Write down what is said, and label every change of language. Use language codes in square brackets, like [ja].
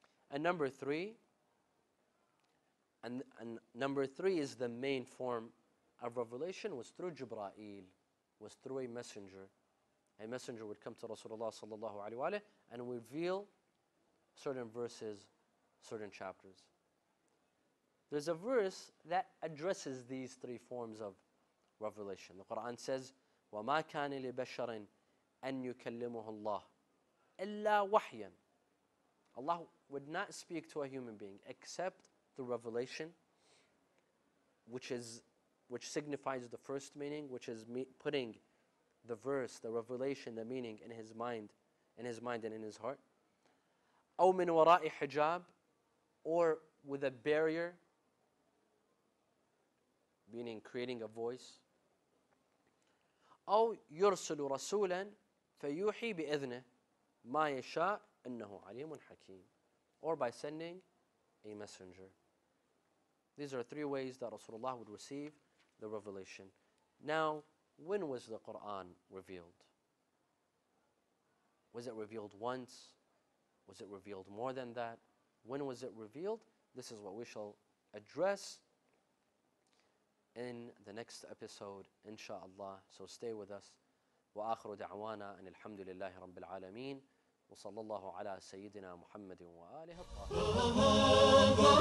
[en] And number three, and number three is the main form of revelation, was through Jibra'il, was through a messenger. A messenger would come to Rasulullah sallallahu alayhi wa alayhi and reveal certain verses, certain chapters. There's a verse that addresses these three forms of revelation. The Quran says, [ar] وَمَا كَانِ لِبَشَرٍ أَن يُكَلِّمُهُ اللَّهِ إِلَّا وَحْيًا. [en] Allah would not speak to a human being except the revelation, which signifies the first meaning, which is putting the verse, the revelation, the meaning in his mind, and in his heart. [ar] أو من وراء حجاب, [en] or with a barrier, meaning creating a voice. [ar] أو يرسل رسولا فيوحي بإذنه ما يشاء إنه عليم حكيم, [en] or by sending a messenger. These are three ways that Rasulullah would receive the revelation. Now, when was the Quran revealed? Was it revealed once? Was it revealed more than that? When was it revealed? This is what we shall address in the next episode, inshallah. So stay with us. [ar] وآخر دعوانا أن الحمد لله رب العالمين وصلى الله على سيدنا محمد وآله الطاهرين.